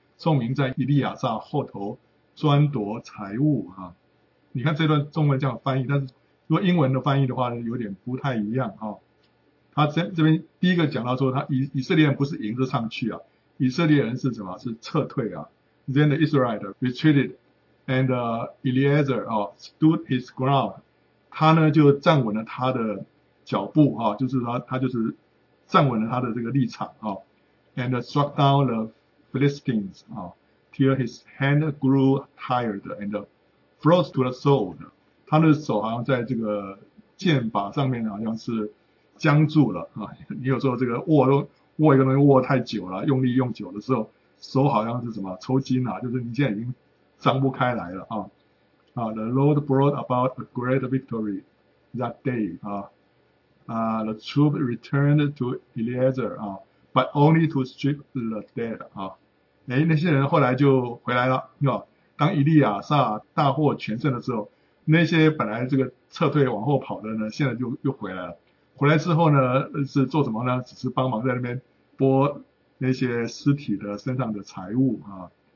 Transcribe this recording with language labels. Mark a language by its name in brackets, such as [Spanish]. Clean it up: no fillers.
[Chinese] 宋明在以利亚撒后头专夺财物啊，你看这段中文这样翻译，但是如果英文的翻译的话有点不太一样啊。他这边第一个讲到说，他以色列人不是迎着上去啊，以色列人是什么？是撤退啊。 [English] Then the Israelite retreated, and Eliezer stood his ground. [Chinese] 他呢就站稳了他的脚步啊，就是他就是站稳了他的这个立场啊 ， [English] and struck down the Philistines, till his hand grew tired and froze to the soul. [Chinese] 他的手好像在这个剑把上面好像是僵住了。你有时候这个握一个东西握太久了，用力用久的时候，手好像是什么抽筋啊，就是你现在已经张不开来了。 [English] The Lord brought about a great victory that day. The troop returned to Eliezer, but only to strip the dead. [Chinese] 那些人后来就回来了。当以利亚撒大获全胜的时候，那些本来这个撤退往后跑的呢，现在就又回来了。回来之后呢，是做什么呢？只是帮忙在那边拨那些尸体的身上的财物啊。